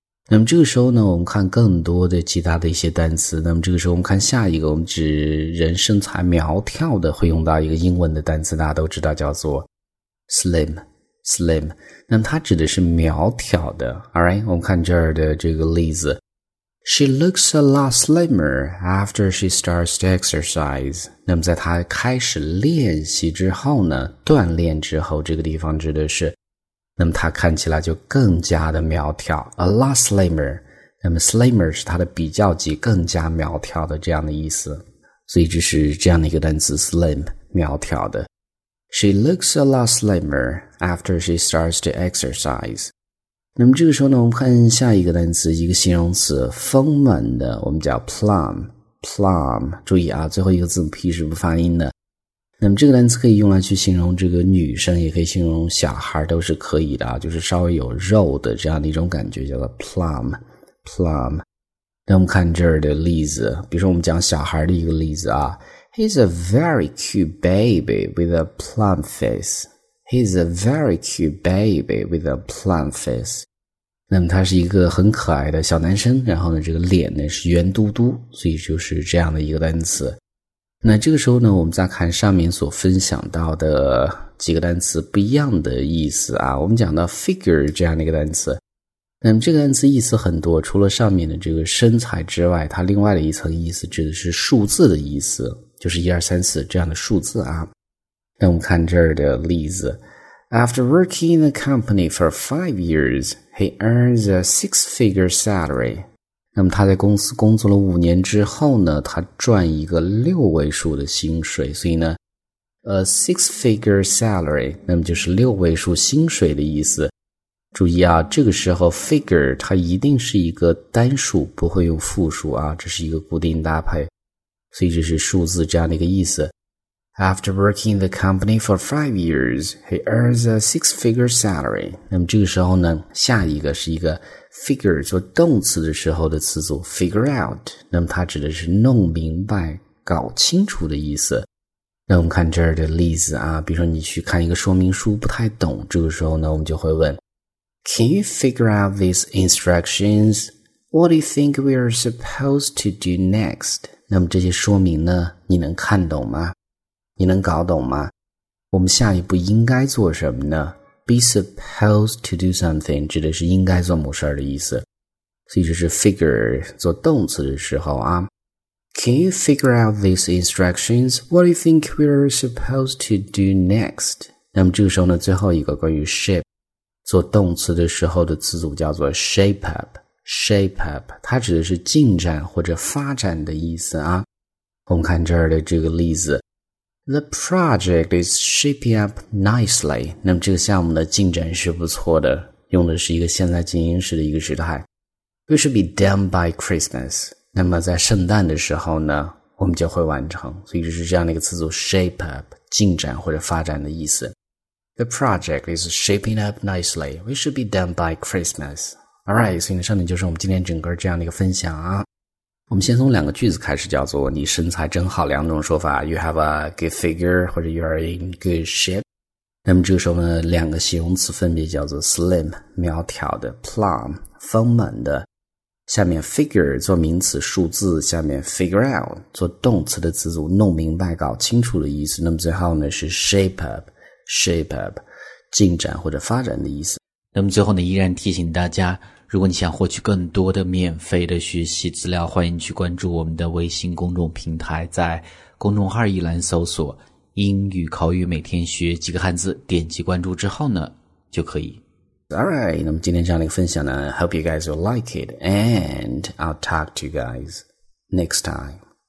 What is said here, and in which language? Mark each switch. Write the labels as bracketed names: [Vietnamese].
[Chinese] 那么这个时候呢，我们看更多的其他的一些单词。那么这个时候我们看下一个，我们指人身材苗条的会用到一个英文的单词，大家都知道叫做 slim， slim。那么它指的是苗条的。Alright， 我们看这儿的这个例子。 [English] She looks a lot slimmer after she starts to exercise. [Chinese] 那么在她开始练习之后呢，锻炼之后，这个地方指的是，那么她看起来就更加的苗条。 [English] A lot slimmer. [Chinese] 那么 slimmer 是她的比较级，更加苗条的这样的意思。所以这是这样的一个单词 slim， 苗条的。 [English] She looks a lot slimmer after she starts to exercise. [Chinese] 那么这个时候呢，我们看下一个单词，一个形容词，丰满的，我们叫 plum， plum。注意啊，最后一个字母 p 是不发音的。那么这个单词可以用来去形容这个女生，也可以形容小孩，都是可以的啊，就是稍微有肉的这样的一种感觉，叫做 plum， plum。那我们看这儿的例子，比如说我们讲小孩的一个例子啊， [English] He's a very cute baby with a plum faceHe's a very cute baby with a plum face. [Chinese] 那么他是一个很可爱的小男生，然后呢，这个脸呢是圆嘟嘟，所以就是这样的一个单词。那这个时候呢，我们再看上面所分享到的几个单词不一样的意思啊。我们讲到 figure 这样的一个单词，那么这个单词意思很多，除了上面的这个身材之外，它另外的一层意思指的是数字的意思，就是1234这样的数字啊。那我们看这儿的例子。 [English] After working in the company for 5 years, he earns a 6-figure salary. [Chinese] 那么他在公司工作了5年之后呢，他赚一个6位数的薪水。所以呢 , [English] a 6-figure salary, [Chinese] 那么就是6位数薪水的意思。注意啊，这个时候 figure, 它一定是一个单数，不会用复数啊，这是一个固定搭配。所以这是数字这样的一个意思。 [English] After working the company for 5 years, he earns a 6-figure salary. [Chinese] 那么这个时候呢，下一个是一个 figure 做动词的时候的词组 figure out. 那么它指的是弄明白、搞清楚的意思。那我们看这儿的例子啊，比如说你去看一个说明书不太懂，这个时候呢，我们就会问 [English] Can you figure out these instructions? What do you think we are supposed to do next? [Chinese] 那么这些说明呢，你能看懂吗？你能搞懂吗？我们下一步应该做什么呢？ [English] Be supposed to do something [Chinese] 指的是应该做某事的意思。所以这是 figure 做动词的时候啊。 [English] Can you figure out these instructions? What do you think we are supposed to do next? [Chinese] 那么这个时候呢，最后一个关于 shape 做动词的时候的词组叫做 shape up， shape up 它指的是进展或者发展的意思啊。我们看这儿的这个例子。 [English] The project is shaping up nicely. [Chinese] 那么这个项目的进展是不错的，用的是一个现在进行时的一个时态。 [English] We should be done by Christmas. [Chinese] 那么在圣诞的时候呢，我们就会完成。所以就是这样的一个词组 shape up， 进展或者发展的意思。 [English] The project is shaping up nicely. We should be done by Christmas. [Chinese] Alright, 所以上面就是我们今天整个这样的一个分享啊。我们先从两个句子开始，叫做你身材真好两种说法， [English] You have a good figure [Chinese] 或者 [English] You are in good shape。 [Chinese] 那么这个时候呢，两个形容词分别叫做 slim 苗条的， plum 丰满的，下面 figure 做名词数字，下面 figure out 做动词的词组，弄明白搞清楚的意思。那么最后呢是 shape up， shape up 进展或者发展的意思。那么最后呢，依然提醒大家，如果你想获取更多的免费的学习资料，欢迎去关注我们的微信公众平台，在公众号一栏搜索英语口语每天学几个汉字，点击关注之后呢就可以。 [English] Alright, [Chinese] 那么今天这样的一个分享呢， [English] Hope you guys will like it, and I'll talk to you guys next time.